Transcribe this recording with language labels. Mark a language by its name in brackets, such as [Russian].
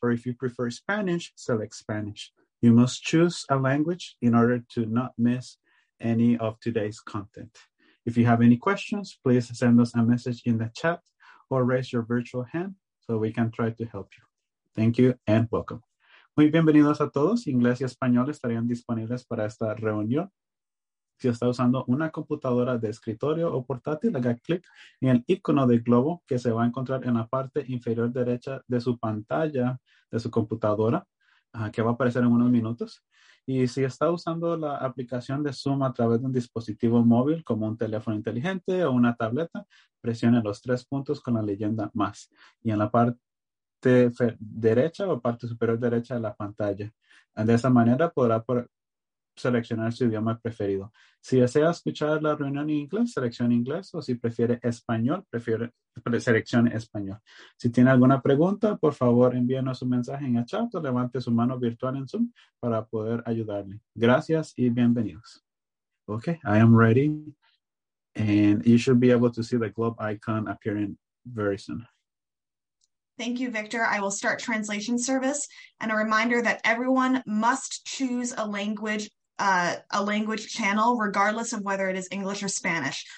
[English] Or if you prefer Spanish, select Spanish. You must choose a language in order to not miss any of today's content. If you have any questions, please send us a message in the chat or raise your virtual hand so we can try to help you. Thank you and welcome. [Spanish] Muy bienvenidos a todos. Inglés y español estarían disponibles para esta reunión. Si está usando una computadora de escritorio o portátil, haga clic en el icono de globo que se va a encontrar en la parte inferior derecha de su pantalla de su computadora, que va a aparecer en unos minutos. Y si está usando la aplicación de Zoom a través de un dispositivo móvil como un teléfono inteligente o una tableta, presione los tres puntos con la leyenda más y en la parte derecha o parte superior derecha de la pantalla. De esa manera podrá seleccionar su idioma preferido. Si desea escuchar la reunión en inglés, seleccione inglés o si prefiere español, seleccione español. Si tiene alguna pregunta, por favor envíenos un mensaje en el chat o levante su mano virtual en Zoom para poder ayudarle. Gracias y bienvenidos. [English] Ok, I am ready. And you should be able to see the globe icon appearing very soon. Thank you, Victor. I will start translation service. And a reminder that everyone must choose a language channel, regardless of whether it is English or Spanish.